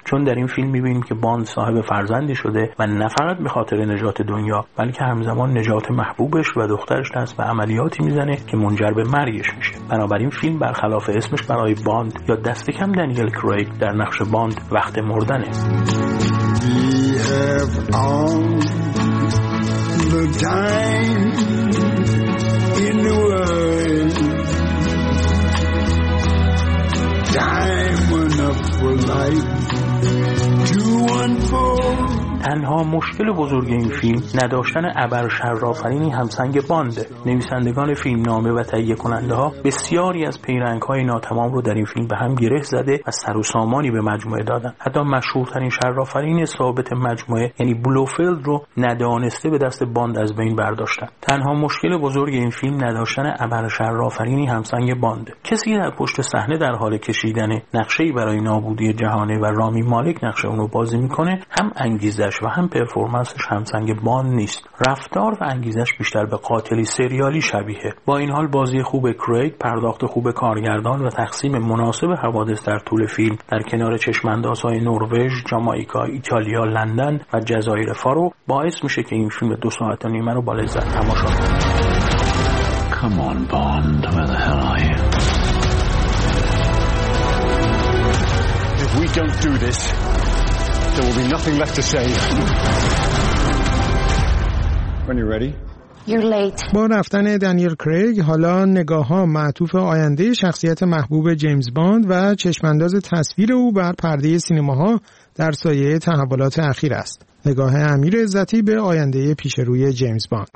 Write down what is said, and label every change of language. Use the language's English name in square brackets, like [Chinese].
[Persian] چون در این فیلم می‌بینیم که باند صاحب فرزندی شده و نه فقط به خاطر نجات دنیا، بلکه همزمان نجات محبوبش و دخترش دست به عملیاتی می‌زنه که منجر به مرگش میشه. بنابراین فیلم برخلاف اسمش برای باند یا دست کم دانیل کریگ در نقش باند وقت مردن است. [English] Have all the time in the world, time enough for life to unfold. [Persian] تنها مشکل بزرگ این فیلم نداشتن ابر شرافرینی همسنگ بانده. نویسندگان فیلم نامه و تهیه کننده ها بسیاری از پیرنگ های ناتمام رو در این فیلم به هم گره زده و سر و سامانی به مجموعه دادن. حتی مشهورترین شرافرین ثابت مجموعه، یعنی بلوفیلد رو ندانسته به دست باند از بین برداشتن. تنها مشکل بزرگ این فیلم نداشتن ابر شرافرینی همسنگ بانده. کسی در پشت صحنه در حال کشیدن نقشه‌ای برای نابودی جهانه و رامی مالک نقشه اون رو بازی می‌کنه، هم انگیزه زش و هم پرفورمنسش همسنگ باند نیست. رفتار و انگیزش بیشتر به قاتلی سریالی شبیهه. با این حال بازی خوب کریگ، پرداخت خوب کارگردان و تقسیم مناسب حوادث در طول فیلم در کنار چشم‌اندازهای نروژ، جامائیکا، ایتالیا، لندن و جزایر فارو باعث میشه که این فیلم 2 ساعت و نیمه رو با لذت تماشا کنید. [English] Come on Bond, where the hell are you? If we don't do this, there will be nothing left to say. When you're ready. [Persian] با رفتن دانیل کریگ حالا نگاه ها معطوف آینده شخصیت محبوب جیمز باند و چشمانداز تصویر او بر پرده سینماها در سایه تحولات اخیر است. نگاه امیر عزتی به آینده پیش روی جیمز باند.